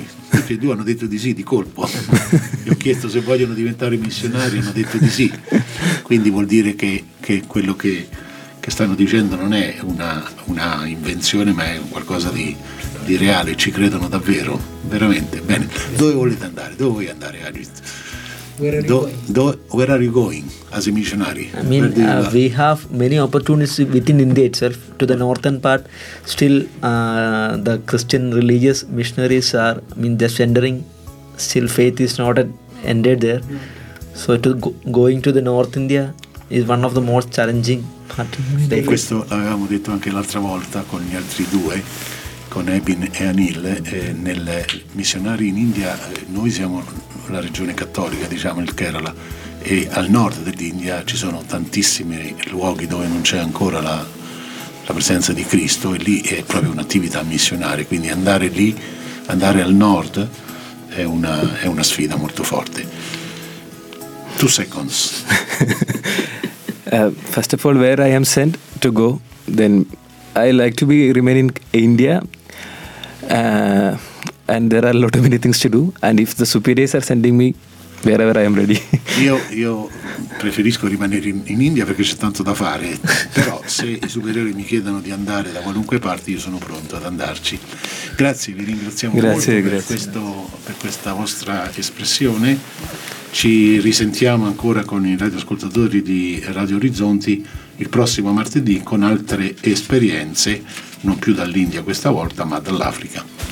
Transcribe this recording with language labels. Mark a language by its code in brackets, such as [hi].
[it] Tutti e due hanno detto di sì di colpo. Gli ho chiesto se vogliono diventare missionari, hanno detto di sì. Quindi vuol dire che quello che stanno dicendo non è una invenzione, ma è qualcosa di reale. Ci credono davvero, veramente. Bene. Dove volete andare? Dove vuoi andare, Ajit? [en] Where are you going as a missionary? I mean, we have many opportunities within India itself, to the northern part. Still, the Christian religious missionaries are, I mean, just entering. Still, faith is not ended there. So, going to the North India is one of the most challenging part. [it] Questo l'avevamo detto anche l'altra volta con gli altri due, con Ebin e Anil. Nel missionari in India, noi siamo la regione cattolica, diciamo il Kerala, e al nord dell'India ci sono tantissimi luoghi dove non c'è ancora la presenza di Cristo, e lì è proprio un'attività missionaria. Quindi andare lì, andare al nord, è una sfida molto forte. [en] 2 seconds. First of all, where I am sent to go, then I like to be remaining in India. And there are a lot of many things to do, and if the superiors are sending me, wherever I am ready. [it] io preferisco rimanere in India perché c'è tanto da fare, però se i superiori mi chiedono di andare da qualunque parte, io sono pronto ad andarci. Grazie, vi ringraziamo. Grazie, molto, grazie. Per questa vostra espressione. Ci risentiamo ancora con i radioascoltatori di Radio Orizzonti il prossimo martedì con altre esperienze, non più dall'India questa volta, ma dall'Africa.